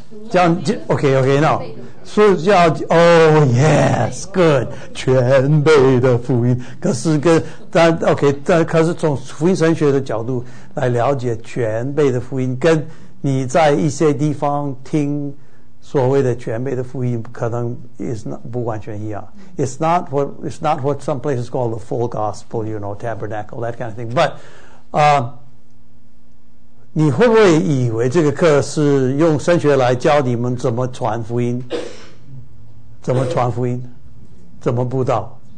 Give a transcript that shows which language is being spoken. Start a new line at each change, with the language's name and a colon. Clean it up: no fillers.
Chinese: 讲 OK， 那所以叫
English: Oh yes， good，
Chinese: 全备的福音。可是跟但 OK， 但可是从福音神学的角度来了解全备的福音，跟你在一些地方听所谓的全备的福音，可能
English: is not
Chinese: 不完全一样。
English: It's not what some places call the full gospel, you know, tabernacle, that kind of thing.
Chinese: But 啊、你会不会以为这个课是用神学来教你们怎么传福音？怎么传福音？怎么布道？